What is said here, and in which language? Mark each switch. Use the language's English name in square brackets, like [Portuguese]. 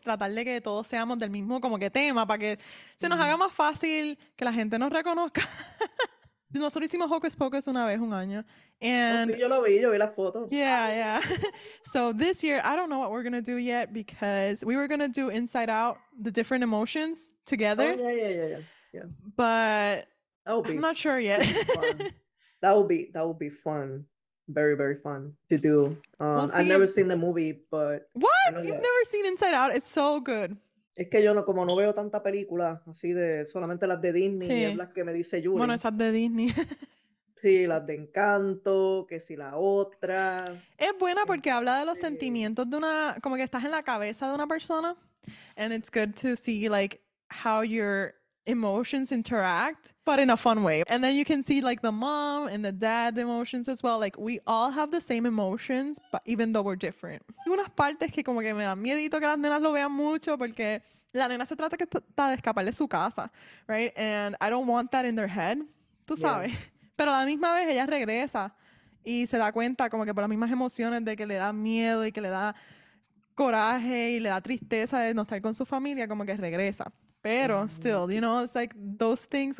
[Spanish] Tratarle que todos seamos del mismo como que tema para que se nos haga más fácil que la gente nos reconozca. Nosotros hicimos Hocus Pocus una vez un año. [English] And [Spanish] yo vi la foto. [English] Yeah. So this year, I don't know what we're going to do yet because we were going to do Inside Out, the different emotions together. Oh, yeah. But I'm not sure yet. That would be fun. Very, very fun to do. I've never seen the movie, but... What? You've never seen Inside Out? It's so good. [Spanish] Es que yo no veo tanta película así de solamente las de Disney y es las que me dice Yuri. Bueno, esas de Disney. Sí, las de Encanto, que si la otra. Es buena porque habla de los sentimientos de una... Como que estás en la cabeza de una persona. [English] And it's good to see, like, how you're... emotions interact but in a fun way, and then you can see like the mom and the dad emotions as well, like we all have the same emotions but even though we're different. [Spanish] Unas partes que como que me dan miedito que las nenas lo vean mucho porque la nena se trata que está de escapar de su casa, right? [English] And I don't want that in their head, [Spanish] tú sabes. Pero a la misma vez ella regresa y se da cuenta como que por las mismas emociones de que le da miedo y que le da coraje y le da tristeza de no estar con su familia, como que regresa. [English] Pero, still, you know, it's like those things.